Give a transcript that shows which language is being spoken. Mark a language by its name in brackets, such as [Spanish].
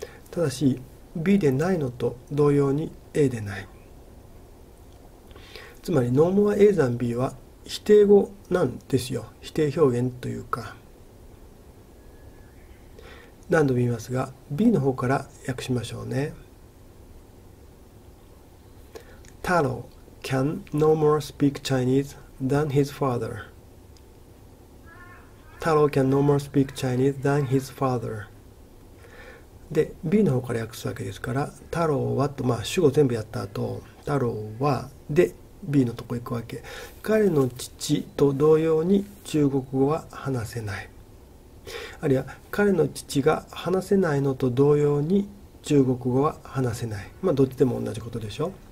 [Japanese] ただし B でないのと同様に A でない、つまりノーモア A ザン B は否定語なんですよ。否定表現というか、何度も言いますが B の方から訳しましょうね。 [English] 太郎 can no more speak Chinese than his father。太郎 can no more speak Chinese than his father。 [Japanese] で、 B の方から訳すわけですから、太郎はと、まあ主語全部やった後、太郎はで B のとこ行くわけ。彼の父と同様に中国語は話せない、あるいは彼の父が話せないのと同様に中国語は話せない、まあどっちでも同じことでしょ。